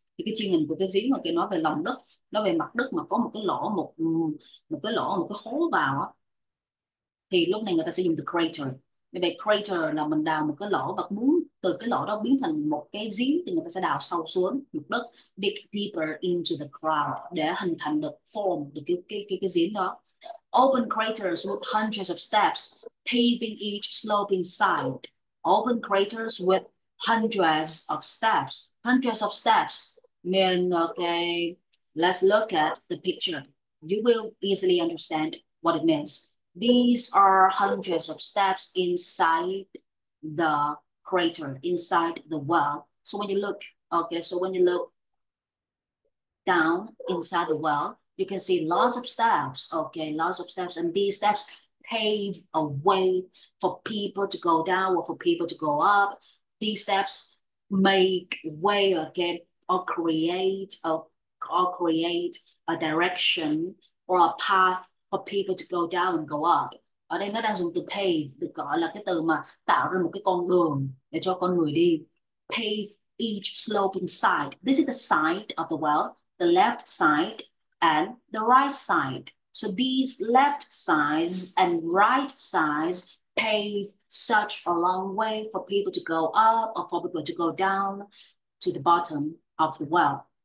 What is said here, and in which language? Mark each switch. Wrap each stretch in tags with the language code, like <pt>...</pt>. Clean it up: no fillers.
<vi>Thì cái chuyên ngành của cái giếng mà cái nói về lòng đất, nói về mặt đất mà có một cái lỗ, một cái hố vào đó, thì lúc này người ta sẽ dùng từ crater. Như vậy crater là mình đào một cái lỗ và muốn từ cái lỗ đó biến thành một cái giếng thì người ta sẽ đào sâu xuống mặt đất,</vi> <en>dig deeper into the ground</en> <vi>để hình thành được form được cái giếng đó.</vi> <en>Open craters with hundreds of steps, paving each sloping side. Open craters with hundreds of steps. Mean, okay, let's look at the picture. You will easily understand what it means. These are hundreds of steps inside the crater, inside the well. So when you look down inside the well, you can see lots of steps. Okay, lots of steps, and these steps pave a way for people to go down or for people to go up. These steps make way, okay, or create a direction or a path for people to go down and go up.</en> <vi>Ở đây nó đang dùng từ pave, được gọi là cái từ mà tạo ra một cái con đường để cho con người đi.</vi> <en>Pave each sloping side. This is the side of the well, the left side and the right side. So these left sides and right sides pave such a long way for people to go up or for people to go down to the bottom of the well.</en>